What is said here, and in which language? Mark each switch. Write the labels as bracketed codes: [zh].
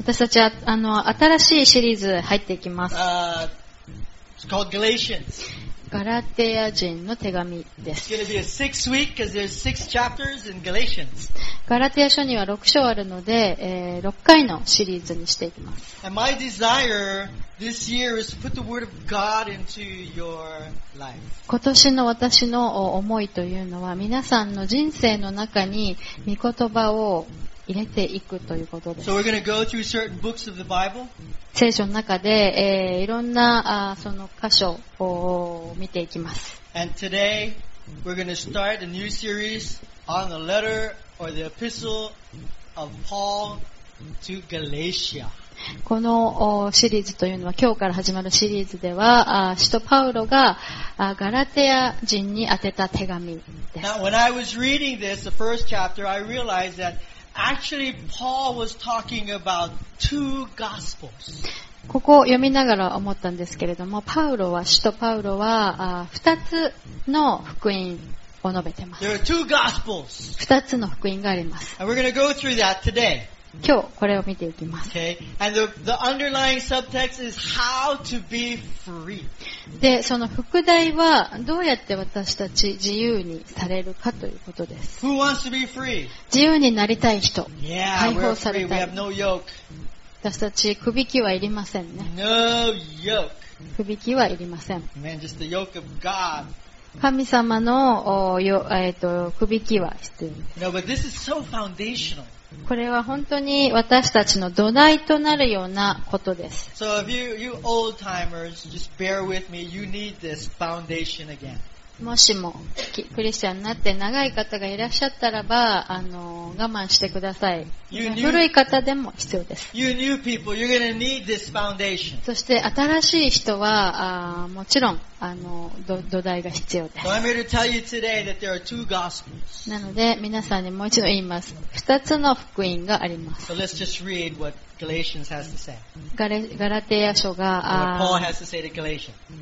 [ja] 私たちはあの新しいシリーズ入っていきます。 [en] It's called Galatians. [ja] ガラテヤ人の手紙です。 [en] It's going to be a six week because there's six chapters in Galatians. [ja] ガラテヤ書には6章あるので、6回のシリーズにしていきます。 [en] And my desire this year is to put the word of God into your life. [ja] 今年の私の思いというのは、皆さんの人生の中に御言葉を入れていくということです。 [en] So we're going to go through certain books of the Bible. [ja] 聖書の中で、いろんなその箇所を見ていきます。 [en] And today we're going to start a new series on the letter or the epistle of Paul to Galatia. [ja] このシリーズというのは、今日から始まるシリーズでは、使徒パウロがガラテヤ人に宛てた手紙です。 [en] Now when I was reading this, the first chapter, I realized thatActually, Paul was talking about two gospels. [ja] ここを読みながら思ったんですけれども、パウロは、使徒パウロは、二つの福音を述べています。 [en] There are two gospels. [ja] 二つの福音があります。 [en] And we're going to go through that today. [ja] 今日これを見ていきます。 [en] Okay. And the underlying subtext is how to be free. [ja] で、その副題は、どうやって私たち自由にされるかということです。 [en] Who wants to be free? [ja] 自由になりたい人。 [en] Yeah, [ja] 解放されたい。 [en] We have no yoke. [ja] 私たち、くびきはいりませんね。 [en] No yoke. [ja] くびきはいりません。 [en] Man, just the yoke of God. [ja] 神様の、くびきは必要です。 [en] No, but this is so foundational. [ja] これは本当に私たちの土台となるようなことです。 [en] So if you old timers, just bear with me, you need this foundation again. [ja] もしもクリスチャンになって長い方がいらっしゃったらば、我慢してください。古い方でも必要です。 [en] You new people, you're gonna need this foundation. [ja] そして新しい人は、もちろん、土台が必要です。 [en] So I'm here to tell you today that there are two gospels. [ja] なので、皆さんにもう一度言います。二つの福音があります。 [en] So let's just read what Galatians has to say. [ja] ガラテヤ書が、 [en] what Paul has to say to Galatians.